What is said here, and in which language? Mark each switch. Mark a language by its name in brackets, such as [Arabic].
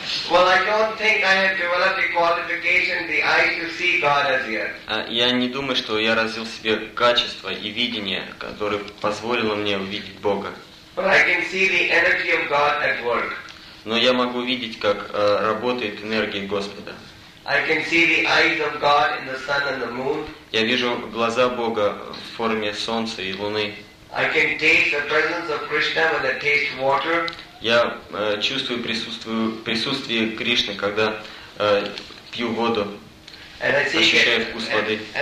[English] Well, I don't think I have developed the qualification, the eye to see God as yet. [Russian] Я не думаю, что я развил в себе качество и видение, которое позволило мне увидеть Бога. [English] But I can see the energy of God at work. [Russian] Но я могу видеть, как работает энергия Господа. [English] I can see the eyes of God in the sun and the moon. [Russian] Я вижу глаза Бога в форме солнца и луны. [English] I can taste the presence of Krishna when I taste water. [Russian] Я чувствую присутствие Кришны, когда пью воду, ощущаю вкус воды.